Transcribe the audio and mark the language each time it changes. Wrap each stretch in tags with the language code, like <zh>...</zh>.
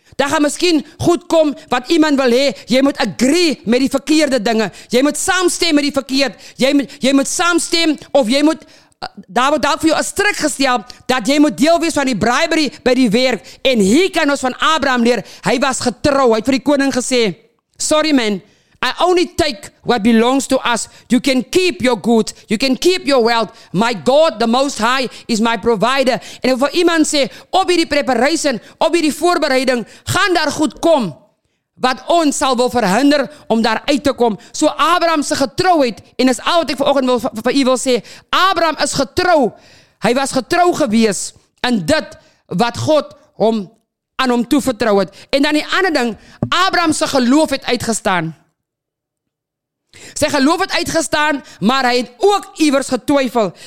<af>Daar gaan miskien goed kom wat iemand wil hê. Jy moet agree met die verkeerde dinge. Jy moet saamstem met die verkeerd. Jy moet saamstem of jy moet, daar word ook vir jou een strik gestel, dat jy moet deel wees van die bribery by die werk. En hier kan ons van Abraham leer, hy was getrou. Hy het vir die koning gesê,</af> <en>sorry man, I only take what belongs to us. You can keep your goods. You can keep your wealth. My God, the Most High, is my provider.</en> <af>En vir iemand sê, op hierdie preparation, op hierdie voorbereiding, gaan daar goed kom, wat ons sal wil verhinder om daar uit te kom. So Abraham se getrouheid, en is al wat ek vanoggend wil vir u wil sê, Abraham is getrou. Hy was getrou gewees in dit wat God hom aan hom toevertrou het. En dan die ander ding, Abraham se geloof het uitgestaan. Sy geloof het uitgestaan, maar hy het ook iewers getwyfel.</af>